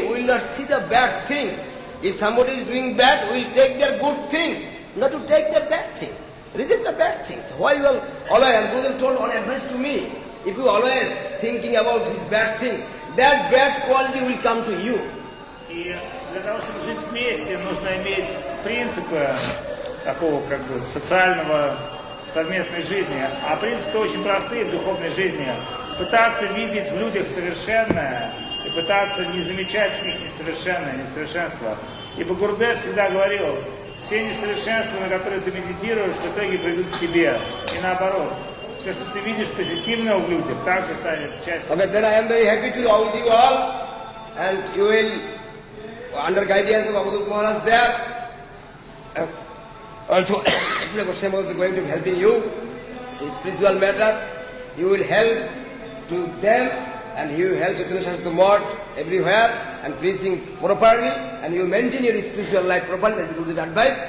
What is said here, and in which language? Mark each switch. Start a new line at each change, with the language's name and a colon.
English: We will not see the bad things. If somebody is doing bad, we will take their good things, not to take their bad things. This is the bad things. Why you are always, and Gurudev told on advice to me, if you are always thinking about these bad things, that bad quality will come to you.
Russian: И для того, чтобы жить вместе, нужно иметь принципы такого как бы социального совместной жизни. А принципы очень простые в духовной жизни. Пытаться видеть в людях совершенное и пытаться не замечать их несовершенное, несовершенство. Ибо Гурудев всегда говорил, все несовершенства, на которые ты медитируешь, в итоге придут к тебе. И наоборот. Все, что ты видишь позитивное в людях, также станет частью.
English: Okay, then I am very happy to be with you all. And you will, under guidance of Abhudut Maharaj there, also, Srila Goswami Maharaj is going to be helping you. In spiritual matter, he will help to them, and he will help Chaitanya Sahasrara Mahat everywhere, and preaching properly, and you maintain your spiritual life properly, that's good advice.